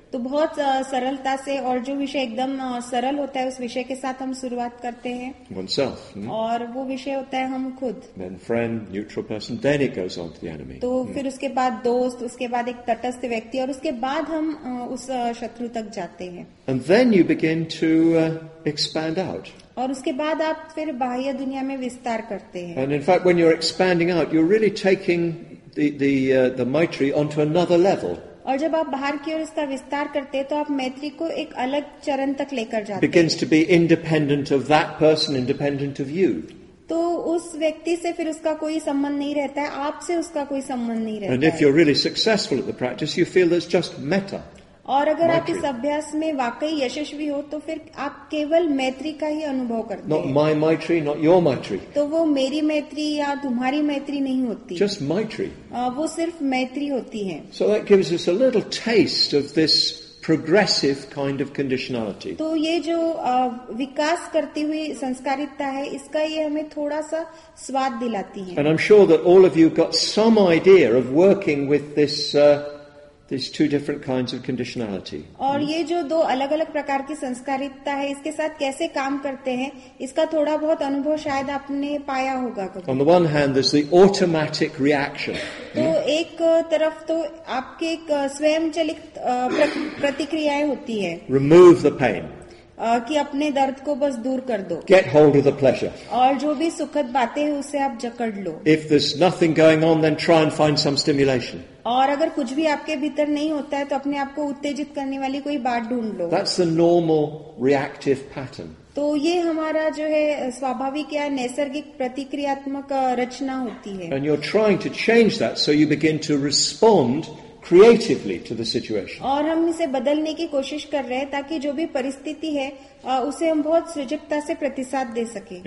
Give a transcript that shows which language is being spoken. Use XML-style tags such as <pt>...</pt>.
<hi>तो बहुत सरलता से और जो विषय एकदम सरल होता है उस विषय के साथ हम शुरुआत करते हैं.</hi> <en>Oneself,</en> <hi>और वो विषय होता है हम खुद.</hi> <en>Then friend, neutral person, then it goes on to the enemy.</en> <hi>तो फिर उसके बाद दोस्त, उसके बाद एक तटस्थ व्यक्ति और उसके बाद हम उस शत्रु तक जाते हैं.</hi> <en>And then you begin to expand out.</en> <hi>और उसके बाद आप फिर बाह्य दुनिया में विस्तार करते हैं.</hi> <en>And in fact, when you're expanding out, you're really taking the Maitri onto another level.</en> <hi>और जब आप बाहर की ओर इसका विस्तार करते हैं तो आप मैत्री को एक अलग चरण तक लेकर जाते हैं.</hi> <en>Begins to be independent of that person, independent of you.</en> <hi>तो उस व्यक्ति से फिर उसका कोई संबंध नहीं रहता है, आपसे उसका कोई संबंध नहीं रहता.</hi> <en>And if you're really successful at the practice, you feel there's just metta.</en> <hi>और अगर आप इस अभ्यास में वाकई यशस्वी हो तो फिर आप केवल मैत्री का ही अनुभव करते हैं.</hi> <en>Not my maitri, not your maitri.</en> <hi>तो वो मेरी मैत्री या तुम्हारी मैत्री नहीं होती.</hi> <en>Just maitri.</en> <hi>वो सिर्फ मैत्री होती है.</hi> <en>So that gives us a little taste of this progressive kind of conditionality.</en> <hi>तो ये जो विकास करती हुई संस्कारिता है इसका ये हमें थोड़ा सा स्वाद दिलाती है.</hi> <en>And I'm sure that all of you got some idea of working with this. There's two different kinds of conditionality.</en> <hi>और ये जो दो अलग अलग प्रकार की संस्कारिता है इसके साथ कैसे काम करते हैं इसका थोड़ा बहुत अनुभव शायद आपने पाया होगा कभी.</hi> <en>On the one hand, there's the automatic reaction.</en> <hi>तो एक तरफ तो आपके एक स्वयंचलित प्रतिक्रियाएं होती है.</hi> <en>Remove the pain.</en> <hi>कि अपने दर्द को बस दूर कर दो.</hi> <en>Get hold of the pleasure.</en> <hi>और जो भी सुखद बातें हैं उसे आप जकड़ लो.</hi> <en>If there's nothing going on, then try and find some stimulation.</en> <hi>और अगर कुछ भी आपके भीतर नहीं होता है तो अपने आप को उत्तेजित करने वाली कोई बात ढूंढ लो.</hi> <en>That's the normal reactive pattern.</en> <hi>तो ये हमारा जो है स्वाभाविक या नैसर्गिक प्रतिक्रियात्मक रचना होती है.</hi> <en>And you're trying to change that, so you begin to respond creatively to the situation.</en> <hi>और हम इसे बदलने की कोशिश कर रहे हैं ताकि जो भी परिस्थिति है उसे हम बहुत सृजकता से प्रतिसाद दे सके.</hi>